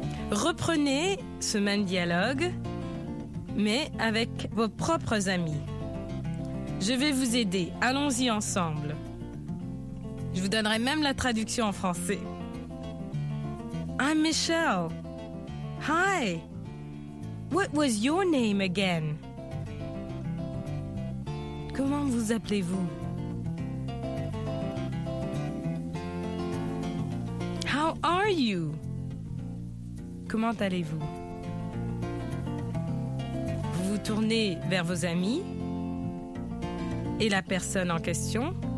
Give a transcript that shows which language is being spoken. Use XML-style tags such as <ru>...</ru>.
<fr>Reprenez ce même dialogue, mais avec vos propres amis. Je vais vous aider. Allons-y ensemble. Je vous donnerai même la traduction en français.</fr> <en>I'm Michelle. Hi. What was your name again?</en> <fr>Comment vous appelez-vous?</fr> <en>How are you?</en> <fr>Comment allez-vous? Vous vous tournez vers vos amis et la personne en question.</fr>